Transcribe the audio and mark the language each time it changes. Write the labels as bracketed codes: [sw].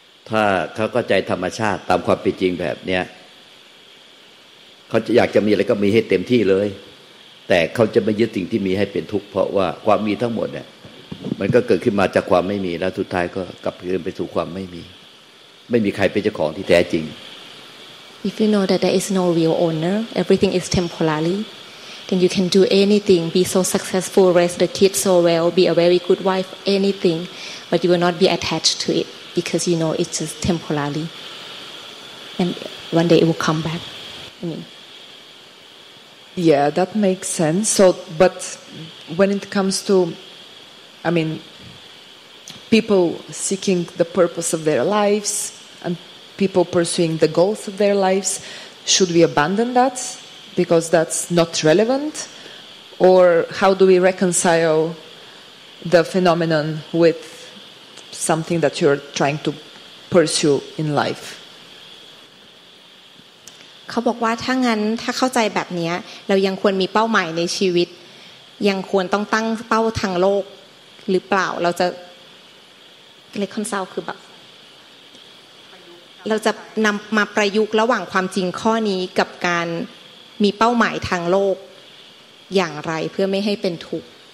[th] ถ้าเขาเข้าใจธรรมชาติตามความเป็นจริงแบบเนี้ยเขาจะอยากจะมีอะไรก็มีให้เต็มที่เลยแต่เขาจะไม่ยึดสิ่งที่มีให้เป็นทุกข์เพราะว่าความมีทั้งหมดเนี่ยมันก็เกิดขึ้นมาจากความไม่มีแล้วสุดท้ายก็กลับคืนไปสู่ความไม่มีไม่มีใครเป็นเจ้าของที่แท้จริง [en] If you know that there is no real owner, everything is temporary, then you can do anything, be so successful, raise the kids so well, be a very good wife, anything, but you will not be attached to it because you know it's just temporary, and one day it will come back. I mean, yeah, that makes sense. So, but when it comes toI mean, people seeking the purpose of their lives and people pursuing the goals of their lives, should we abandon that because that's not relevant? Or how do we reconcile the phenomenon with something that you're trying to pursue in life? [th] เขาบอกว่าถ้างั้นถ้าเข้าใจแบบนี้เรายังควรมีเป้าหมายในชีวิตยังควรต้องตั้งเป้าทางโลกหรือเปล่าเราจะ reconcile คือแบบเราจะนำมาประยุกต์ระหว่างความจริงข้อนี้กับการมีเป้าหมายทางโลกอย่างไรเพื่อไม่ให้เป็นทุกข